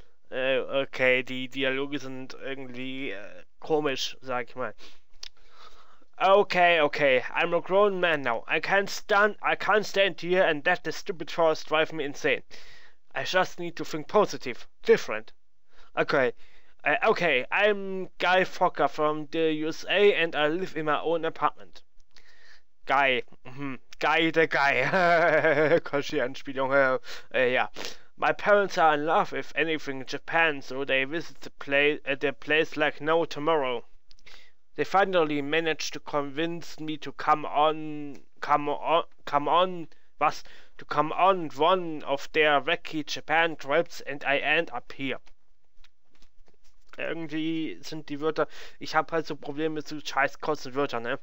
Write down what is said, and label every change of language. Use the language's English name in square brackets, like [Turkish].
[German] Okay, die Dialoge sind irgendwie komisch, sag ich mal. [English] Okay, I'm a grown man now. I can't stand here and let the stupid forest drive me insane. I just need to think positive, different. Okay, I'm Guy Fokker from the USA and I live in my own apartment. Guy, Guy the Guy. [German] Kosche Anspielung, ja. [English] My parents are in love with anything in Japan, so they visit the place like no tomorrow. They finally managed to convince me to come on one of their wacky Japan trips, and I end up here. [German] Irgendwie sind die Wörter. Ich habe halt so Probleme zu scheiß kurzen Wörtern, ne?